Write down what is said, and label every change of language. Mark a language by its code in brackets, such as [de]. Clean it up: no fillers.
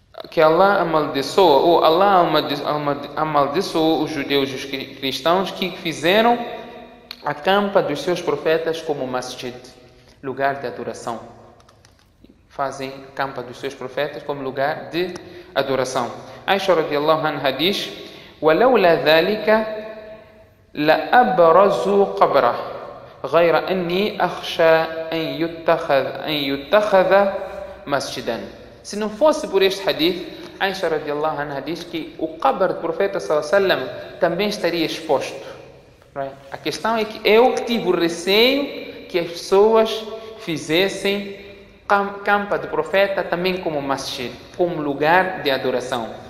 [pt] Que Allah amaldiçoa, ou Allah amaldiçoa os judeus e os cristãos que fizeram a campa dos seus profetas como masjid, lugar de adoração. Fazem a campa dos seus profetas como lugar de adoração. [ar] Aisha radiallahu anha diz: وَلَوْلَا ذَلِكَ لَأَبْرَزُوا قَبْرَهُ غَيْرَ أَنِّي أَخْشَى أَن يُتَّخَذَ مَسْجِدًا. [pt] Se não fosse por este hadith, Aisha radiallahu anha diz que o qabr do profeta sallallahu alaihi wasallam também estaria exposto. A questão é que eu tive o receio que as pessoas fizessem campa do profeta também como masjid, como lugar de adoração.